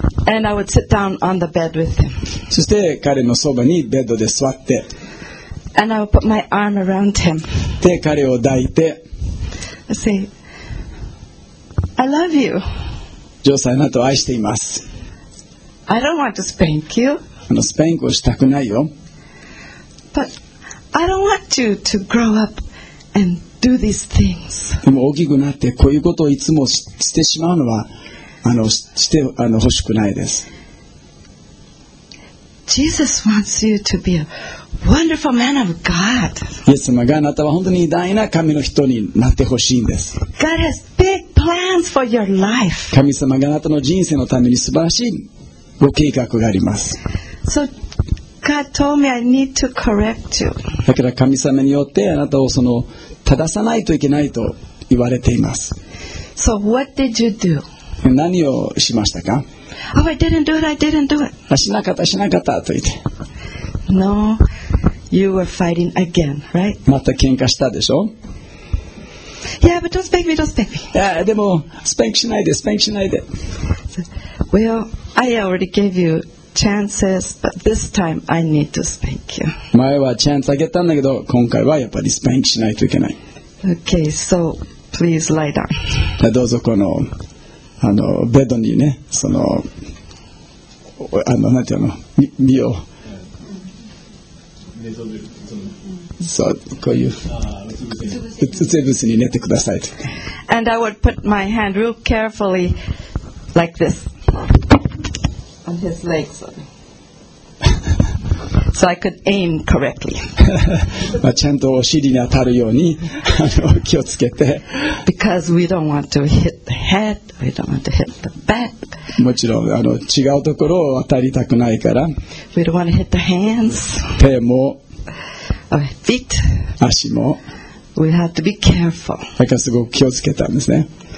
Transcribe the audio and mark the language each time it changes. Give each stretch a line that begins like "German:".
English: And I would sit down on the bed with him.
Japanese: そして彼のそばにベッドで座って。
English: And I would put my arm around him.
Japanese: で彼を抱いて。
English: I say, I love you.
Japanese: ジョーさん、あなたを愛しています。
English: I don't want to spank you.
Japanese: スパンクをしたくないよ。
English: But But I don't want you to grow up and do these things.
Japanese: でも大きくなってこういうことをいつもしてしまうのはして欲しくないです。
English: Jesus wants you to be a wonderful man of God.
Japanese: イエス様があなたは本当に偉大な神の人になってほしいんです。
English: God has big plans for your life.
Japanese: 神様があなたの人生のために素晴らしいご計画があります。
English: So God told me I need to correct you.
Japanese: だから神様によってあなたを正さないといけないと言われています。
English: So what did you do?
Japanese: 何をしましたか？
English: Oh, I didn't do it, I didn't do it.
Japanese: しなかった、しなかったと言って。
English: No, you were fighting again, right?
Japanese: また喧嘩したでしょ？
English: Yeah, but don't spank me, don't spank me.
Japanese: Yeah, でも、spank しないで、spank しないで。
English: Well, I already gave you chances, but this time I need to spank you.
Japanese: 前はチャンスあげたんだけど、今回はやっぱり spank しないといけない。
English: Okay, so please lie down.
Japanese: どうぞこの…ベッドにね、なんていうの、身を、そう、こういう、うつ伏せに寝てくださいと。
English: And I would put my hand real carefully like this on his legs, so I could aim correctly.
Japanese: まあちゃんとお尻に当たるように気をつけて。
English: Because we don't want to hit the head. We don't want to hit the back.
Japanese: もちろん違うところを当たりたくないから。
English: We don't want to hit the hands.
Japanese: 手も。
English: Our feet.
Japanese: 足も。
English: We have to be careful.
Japanese: だからすごく気をつけたんですね。